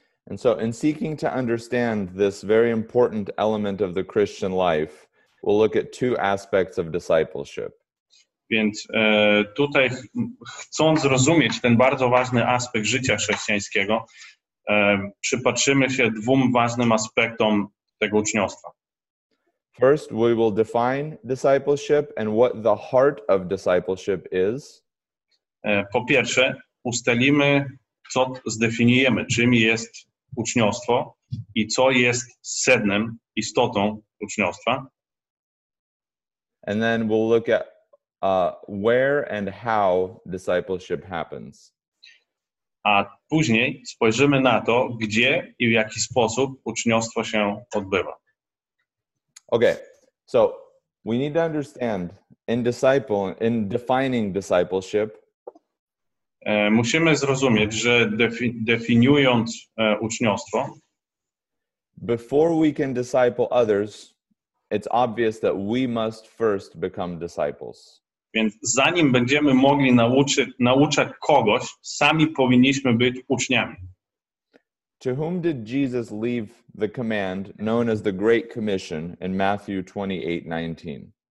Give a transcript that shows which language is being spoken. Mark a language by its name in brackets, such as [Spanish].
[English] And so in seeking to understand this very important element of the Christian life, we'll look at two aspects of discipleship. [Polish] Więc tutaj chcąc zrozumieć ten bardzo ważny aspekt życia chrześcijańskiego, przypatrzymy się dwóm ważnym aspektom tego uczniostwa. [English] First, we will define discipleship and what the heart of discipleship is. [Polish] Po pierwsze, ustalimy, co zdefiniujemy, czym jest uczniostwo i co jest sednem, istotą uczniostwa. [English] And then we'll look at where and how discipleship happens. [Polish] A później spojrzymy na to, gdzie i w jaki sposób uczniostwo się odbywa. [English] Okay, so we need to understand in defining discipleship. [Polish] Musimy zrozumieć, że definiując uczniostwo. [English] Before we can disciple others, it's obvious that we must first become disciples. [Polish] Więc zanim będziemy mogli nauczać kogoś, sami powinniśmy być uczniami. [English] To whom did Jesus leave the command known as the Great Commission in Matthew 28:19?